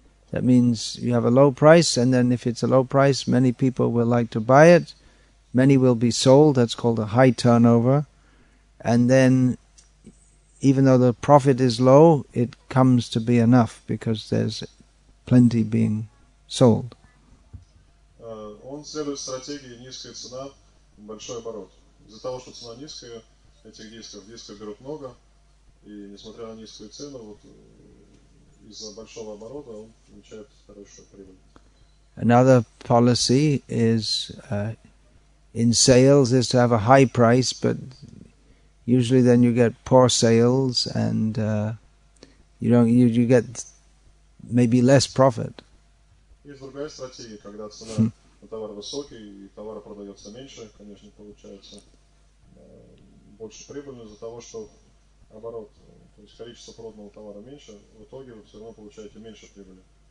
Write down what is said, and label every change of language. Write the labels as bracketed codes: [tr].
[en] That means you have a low price, and then if it's a low price, many people will like to buy it. Many will be sold. That's called a high turnover. And then, even though the profit is low, it comes to be enough because there's plenty being sold. [ru] Он следует стратегии низкая цена, большой оборот. Из-за того, что цена низкая, этих дисков берут много, и несмотря на низкую цену, вот из-за большого оборота он получает хорошую прибыль. [en] Another policy is in sales is to have a high price, but usually then you get poor sales and you get maybe less profit. [ru] Есть другая стратегия, когда цена на товар высокий и товара продается меньше, конечно, получается больше прибыли из-за того, что оборот, то есть количество проданного товара меньше, в итоге вы все равно получаете меньше прибыли.